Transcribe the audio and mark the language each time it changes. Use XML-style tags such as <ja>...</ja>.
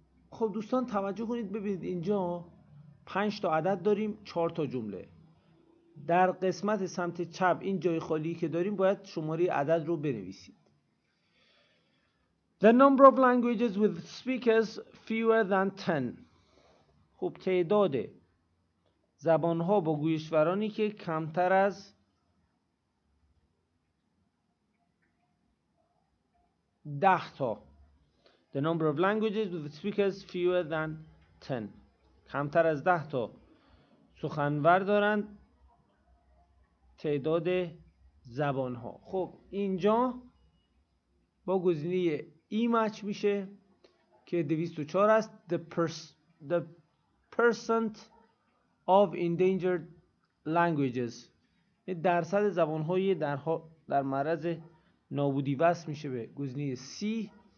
<fa>خب دوستان توجه کنید، ببینید اینجا 5 تا عدد داریم، 4 تا جمله. در قسمت سمت چپ این جای خالی که داریم باید شماره عدد رو بنویسید.</fa> <en>The number of languages with speakers fewer than 10.</en> <fa>خب تعداد زبان‌ها با گویشورانی که کمتر از 10 تا.</fa> <en>The number of languages with speakers fewer than 10.</en> <fa>کمتر از 10 تا سخنور دارند تعداد زبان‌ها. خب اینجا با گزینه ای مچ میشه که 204 است. The percent of endangered languages، درصد زبان‌های در معرض نابودی وست میشه به گزینه C.</fa>